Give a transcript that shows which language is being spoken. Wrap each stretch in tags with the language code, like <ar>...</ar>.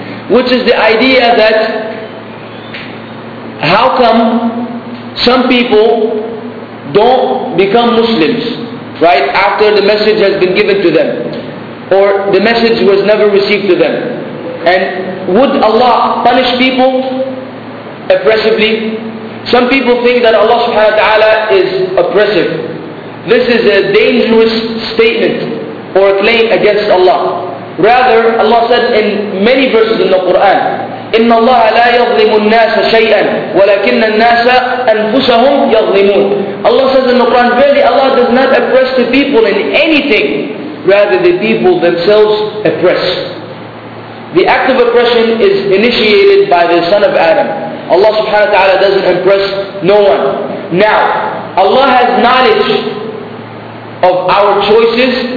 <en>Which is the idea that how come some people don't become Muslims, right, after the message has been given to them, or the message was never received to them? And would Allah punish people oppressively? Some people think that Allah subhanahu wa ta'ala is oppressive. This is a dangerous statement or a claim against Allah. Rather, Allah said in many verses in the Quran,</en> <ar>إِنَّ اللَّهَ لَا يَظْلِمُ النَّاسَ شَيْئًا وَلَكِنَّ النَّاسَ أَنفُسَهُمْ يَظْلِمُونَ.</ar> <en>Allah says in the Quran, verily Allah does not oppress the people in anything. Rather, the people themselves oppress. The act of oppression is initiated by the son of Adam. Allah subhanahu wa ta'ala doesn't oppress no one. Now, Allah has knowledge of our choices.</en>